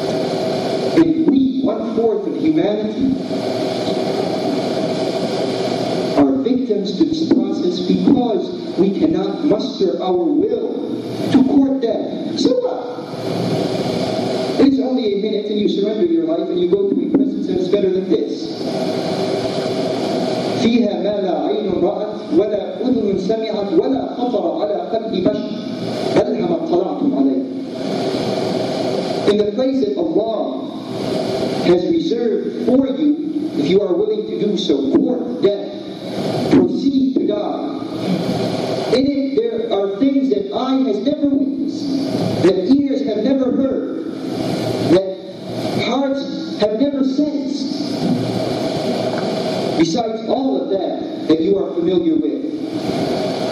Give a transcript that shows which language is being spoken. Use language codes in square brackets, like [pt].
[en] One-fourth of humanity are victims to this process because we cannot muster our will to court death. So what? It's only a minute and you surrender your life and you go to a presence that is better than this. [ar] فيها ما لا عين رأت ولا أذن سمعت ولا خطر على قلب بشر ألهم الطلعت عليه. [en] In the place that Allah has reserved for you, if you are willing to do so, court death, proceed to die. In it there are things that eye has never witnessed, that ears have never heard, that hearts have never sensed, besides all of that that you are familiar with.